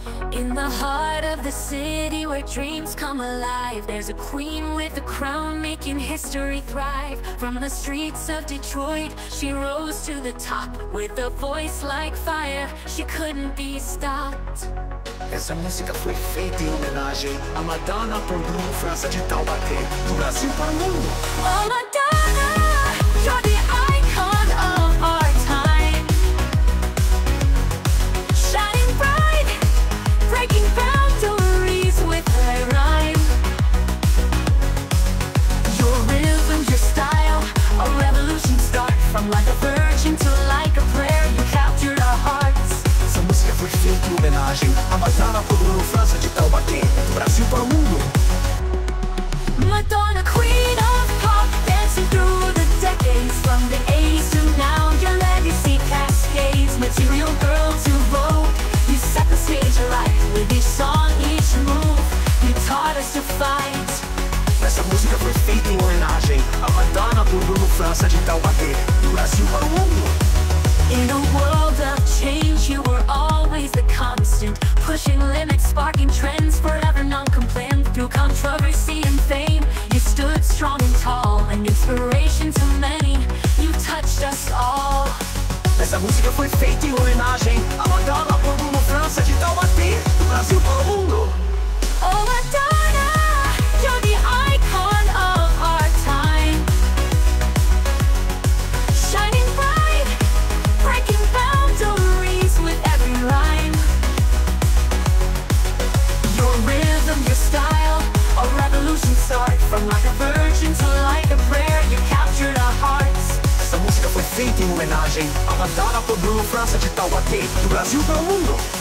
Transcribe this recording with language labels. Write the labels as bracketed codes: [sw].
[en] In the heart of the city where dreams come alive, there's a queen with a crown making history thrive. From the streets of Detroit, she rose to the top. With a voice like fire, she couldn't be stopped. [pt] Essa música foi feita em homenagem à Madonna por Bruno França de Taubaté, do Brasil para o mundo. [en] Oh, Madonna, you're the icon of our time. Shining bright, breaking boundaries with her rhyme. Your rhythm, your style, a revolution start. From like a virgin to like a prayer, you captured our hearts. [pt] Essa música foi feita em homenagem à Madonna por Bruno França de Taubaté, do Brasil para o mundo. [en] Madonna, queen of pop, dancing through the decades. From the 80s to now, your legacy cascades. Material girl to vogue, you set the stage alight. With each song, each move, you taught us to fight. [pt] Essa música foi feita em homenagem à Madonna por Bruno França de Taubaté, do Brasil para o mundo. [en] In a world of change, you were always the constant. Pushing limits, sparking trends, forever non-compliant. Through controversy and fame, you stood strong and tall. An inspiration to many, you touched us all. [pt] Essa música foi feita em homenagem à Madonna por Bruno França de Taubaté, do Brasil para o mundo. [en] Oh, Madonna, you're the icon of our time. Shining bright, breaking boundaries with every rhyme. Your rhythm, your style, a revolution start. From like a virgin to like a prayer, you captured our hearts. [pt] Essa música foi feita em homenagem à Madonna por Bruno França de Taubaté, do Brasil para o mundo.